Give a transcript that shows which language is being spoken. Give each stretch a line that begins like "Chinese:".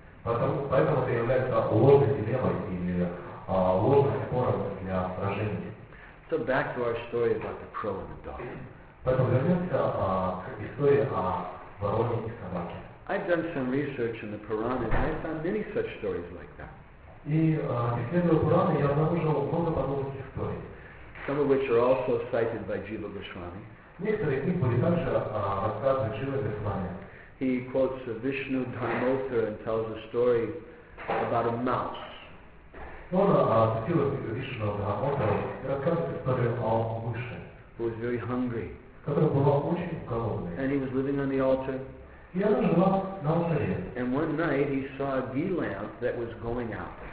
Russian: Потому, поэтому это является ложной дилеммой или ложным спором для сражения.
English: So back to our story about the crow and the dog.
Russian: Поэтому вернемся к истории о вороне и собаке.
English: I've done some research in the Puranas, and I found many such stories like that.
Russian: И исследуя Пураны, я обнаружил много подобных историй.
English: Some of which are also cited by Jiva Goswami.
Russian: Некоторые из них были также рассказаны Джива Госвами.
English: He quotes a Vishnu Dharmotra and tells a story about a mouse.
Russian: Он цитирует Вишну Дхармотру и рассказывает историю о мыши,
English: who was very hungry.
Russian: Который был очень голодный.
English: And he was living on the altar.
Russian: И она жила на алтаре.
English: And one night he saw a ghee lamp that was going out.